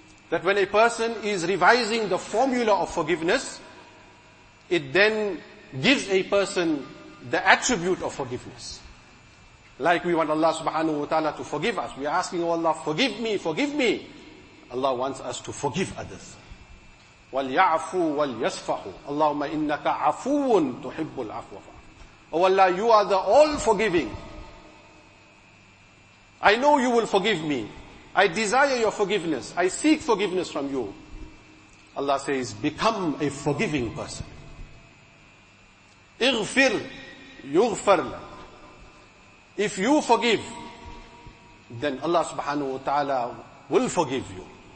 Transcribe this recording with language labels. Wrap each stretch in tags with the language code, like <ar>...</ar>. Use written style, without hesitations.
<en>That when a person is revising the formula of forgiveness, it then gives a person the attribute of forgiveness. Like we want Allah subhanahu wa ta'ala to forgive us. We are asking, oh Allah, forgive me, forgive me. Allah wants us to forgive others.</en> <ar>وَلْيَعْفُوا وَلْيَسْفَحُوا اللَّهُمَّ إِنَّكَ عَفُوٌ تُحِبُّ الْعَفْوَ</ar> <en>Oh Allah, you are the all-forgiving. I know you will forgive me. I desire your forgiveness. I seek forgiveness from you. Allah says, become a forgiving person.</en> <ar>اغفر يغفر لك.</ar> <en>If you forgive, then Allah subhanahu wa ta'ala will forgive you.</en>